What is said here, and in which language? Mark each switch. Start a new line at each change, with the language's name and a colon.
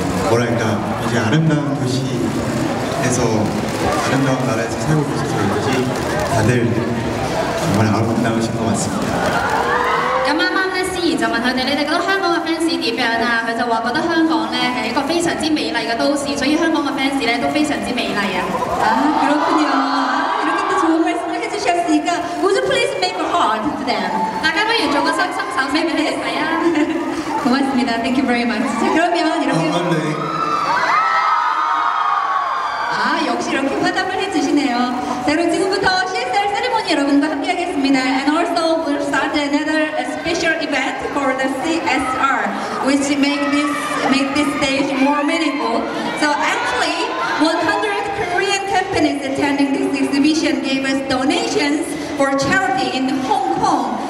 Korean: 뭐랄까 이제 아름다운 도시에서 아름다운 나라에서 살고 계셔서 그런지 다들 정말 아름다우신 것 같습니다.
Cantonese: 就問佢哋，你哋覺得香港嘅 fans 點樣啊？佢就話覺得香港咧係一個非常之美麗嘅都市，所以香港嘅 fans 咧都非常之美麗啊！啊，咁樣啊，咁樣都做咩？咁樣都出事噶
English: ？Would you please make a heart to them？
Cantonese: 大家不如做個心心手，咩咩嘢事啊？好，唔該曬
English: ，thank you very much。 그러면，啊，咁樣，啊，
Korean: 역시 이렇게 화답을 해주시네요. 자, 그럼 지금부터 CSR 세리머니 여러분과 함께하겠습니다.
English: And also we'll start another special event for the CSR, which make this stage more meaningful. So actually, 100 Korean companies attending this exhibition gave us donations for charity in Hong Kong.